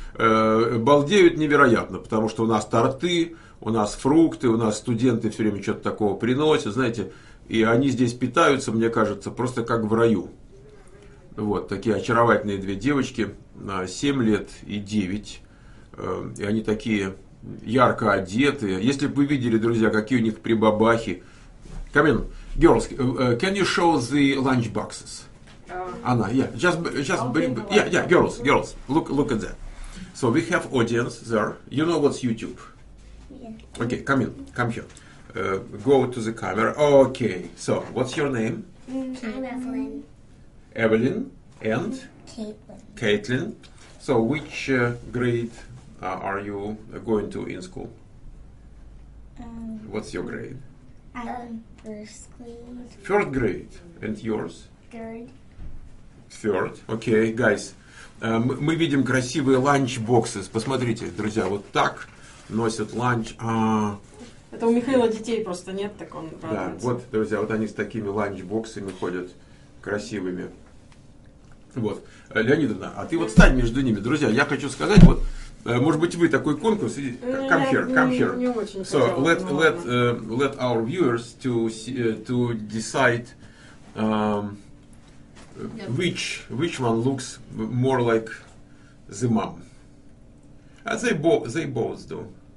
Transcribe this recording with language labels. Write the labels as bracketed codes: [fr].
[ru] Балдеют невероятно, потому что у нас торты, у нас фрукты, у нас студенты все время что-то такого приносят, знаете. И они здесь питаются, мне кажется, просто как в раю. Вот, такие очаровательные две девочки, 7 лет и 9. И они такие ярко одетые. Если бы вы видели, друзья, какие у них прибабахи. [en] Come in, girls, can you show the lunch boxes? Anna, yeah, just bring, yeah, girls, look at that. So we have audience there. You know what's YouTube? Yeah. Okay, come in, come here. Go to the camera. Okay, so what's your name? I'm Evelyn. Evelyn and? Caitlin. Caitlin. So which grade are you going to in school? What's your grade? First grade. Third grade. And yours? Third. Third. Okay, guys. [ru] Мы видим красивые ланчбоксы. Посмотрите, друзья, вот так носят ланч. Это у Михаила детей просто нет, так он радуется. Да, вот, друзья, вот они с такими ланчбоксами ходят красивыми. Вот. Леонидовна, а ты вот встань между ними. Друзья, я хочу сказать, вот, может быть, вы такой конкурс? [en] Come here, come here. So let our viewers to decide which one looks more like the mom. They both do.